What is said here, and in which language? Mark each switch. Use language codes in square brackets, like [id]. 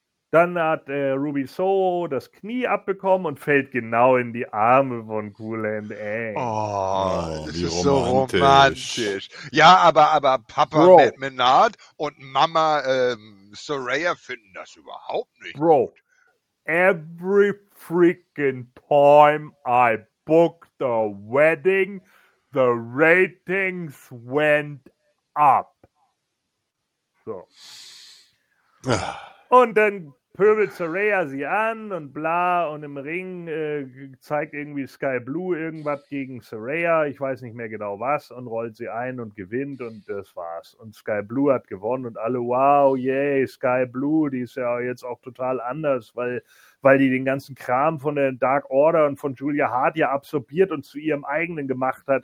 [de] Dann hat Ruby Soho das Knie abbekommen und fällt genau in die Arme von Cool Hand Aang. Oh, das ist so romantisch. Ja, aber Papa Matt Menard und Mama Soraya finden das überhaupt nicht. Bro, gut. [en] Every freaking time I booked the wedding, the ratings went up. [de] So. Und dann pöbelt Soraya sie an und bla und im Ring zeigt irgendwie Sky Blue irgendwas gegen Soraya, ich weiß nicht mehr genau was, und rollt sie ein und gewinnt und das war's. Und Sky Blue hat gewonnen und alle, wow, yay, Sky Blue, die ist ja jetzt auch total anders, weil die den ganzen Kram von der Dark Order und von Julia Hart ja absorbiert und zu ihrem eigenen gemacht hat.